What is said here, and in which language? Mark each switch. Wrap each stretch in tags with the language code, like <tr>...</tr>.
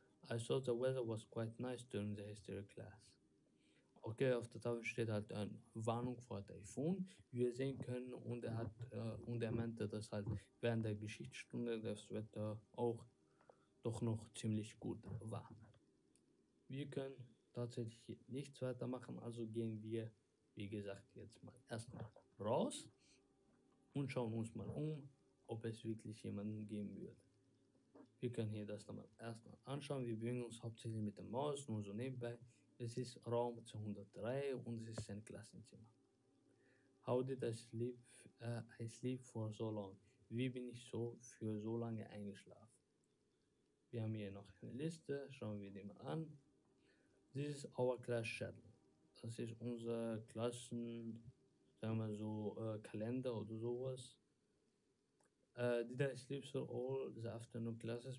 <en>I thought the weather was quite nice during the history class.</en> <de>Okay, auf der Tafel steht halt eine Warnung vor Typhoon. Wie wir sehen können, und er hat und er meinte, dass halt während der Geschichtsstunde das Wetter auch doch noch ziemlich gut war. Wir können tatsächlich nichts weiter machen, also gehen wir, wie gesagt, jetzt mal erstmal raus und schauen uns mal um, ob es wirklich jemanden geben wird. Wir können hier das dann erstmal anschauen. Wir bewegen uns hauptsächlich mit der Maus, nur so nebenbei. Es ist Raum 203 und es ist ein Klassenzimmer.</de> <en>How did I sleep for so long?</en> <de>Wie bin ich so für so lange eingeschlafen? Wir haben hier noch eine Liste, schauen wir die mal an.</de> <en>This is our class schedule.</en> <de>Das ist unser Klassen, sagen wir so, Kalender oder sowas.</de> <en>Did I sleep so all the afternoon classes?</en>